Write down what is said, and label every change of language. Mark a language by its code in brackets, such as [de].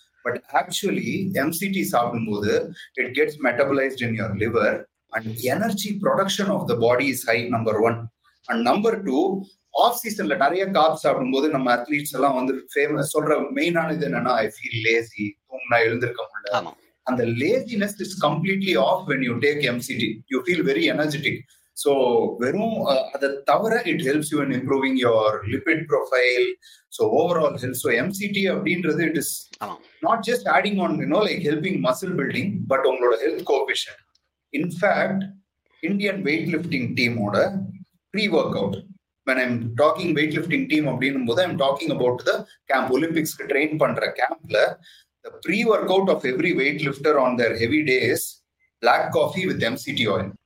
[en] But actually, MCT [ta] சாப்பிடும்போது [en] it gets metabolized in your liver and energy production of the body is high, number one. [ta] And number two, off-seasonல நிறைய carbs சாப்பிடும்போது நம்ம athletes எல்லாம் வந்து famous சொல்ற மெயினான இது என்னன்னா, [en] I feel lazy, [ta] தூங்கினா எழுந்திருக்க முடியல. [en] அந்த laziness is completely off when you take MCT. You feel very energetic. So, [ta] வெறும் அதை தவிர [en] It helps you in improving your lipid profile. So overall health, so MCT அப்படின்றது it is not just adding on you know like helping muscle building, but உங்களோட health coefficient. In fact Indian weight lifting டீமோட pre workout, when I'm talking weight lifting team [ta] அப்படின்னும் போது [en] I'm talking about the camp, [ta] ஒலிம்பிக்ஸ்க்கு train பண்ணுற கேம்ப்ல, [en] The pre workout of every weight lifter on their heavy days black coffee with MCT oil.